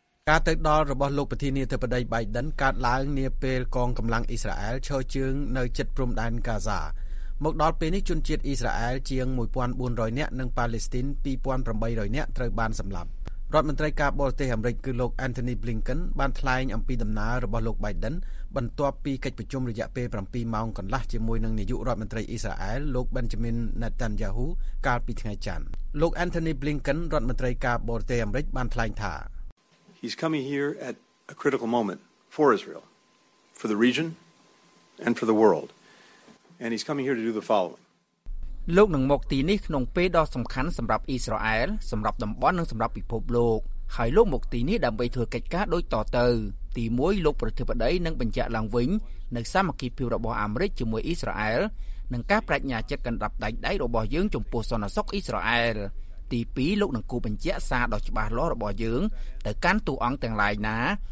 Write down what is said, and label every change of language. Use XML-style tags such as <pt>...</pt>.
<km>ការទៅដល់របស់លោកប្រធានាធិបតី Biden កើតឡើងនាពេលកងកម្លាំងអ៊ីស្រាអែលឈរជើងនៅជិតព្រំដែន Gaza មកដល់ពេលនេះជនជាតិអ៊ីស្រាអែលជាង1400នាក់និងប៉ាឡេស្ទីន2800នាក់ត្រូវបានសម្លាប់រដ្ឋមន្ត្រីការបរទេសអាមេរិកគឺលោក Anthony Blinken បានថ្លែងអំពីដំណើររបស់លោក Biden បន្ទាប់ពីកិច្ចប្រជុំរយៈពេល7ម៉ោងកន្លះជាមួយនឹងនាយករដ្ឋមន្ត្រីអ៊ីស្រាអែលលោក Benjamin Netanyahu កាលពីថ្ងៃច័ន្ទលោក Anthony Blinken រដ្ឋមន្ត្រីការបរទេសអាមេរិកបានថ្លែងថា</km> <en>He's coming here at a critical moment for Israel for the region and for the world and he's coming here to do the following</en> <km>លោកនឹងមកទីនេះក្នុងពេលដ៏សំខាន់សម្រាប់អ៊ីស្រាអែលសម្រាប់តំបន់និងសម្រាប់ពិភពលោកហើយលោកមកទីនេះដើម្បីធ្វើកិច្ចការដូចតទៅទី1លោកប្រធានាធិបតីនឹងបញ្ជាក់ឡើងវិញនៅសមគ្គីភាពរបស់អាមេរិកជាមួយអ៊ីស្រាអែលនឹងការប្រាជ្ញាចិត្តកណ្ដាប់ដៃដៃរបស់យើងចំពោះសន្តិសុខអ៊ីស្រាអែលទី2លោកនឹងគូបញ្ជាក់សារដ៏ច្បាស់លាស់របស់យើងទៅកាន់ទូអង្គទាំងឡាយណារ</km>